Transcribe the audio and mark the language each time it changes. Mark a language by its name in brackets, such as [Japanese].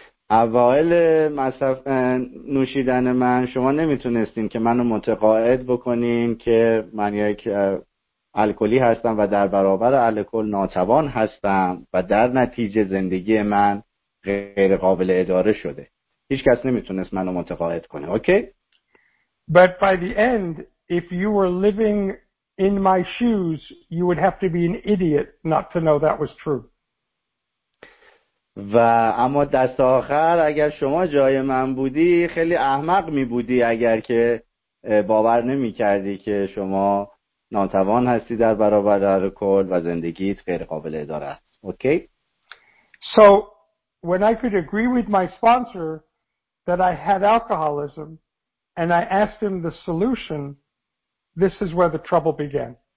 [Persian] اوایل مصرف نوشیدن من شما نمیتونستین که منو متقاعد بکنین که من یک الکلی هستم و در برابر الکل ناتوان هستم و در نتیجه زندگی من غیر قابل اداره شده. هیچ کس نمیتونست منو متقاعد کنه. اوکی؟ [English] But by the end, if you were living in my shoes, you would have to be an idiot not to know that was true. [Persian] و اما دست آخر اگر شما جای من بودی خیلی احمق می بودی اگر که باور نمی کردی که شما ناتوان هستی در برابر الکل و زندگیت غیر قابل اداره است. اوکی؟ [English] So when I could agree with my sponsor that I had alcoholism and I asked him the solution, this is where the trouble began.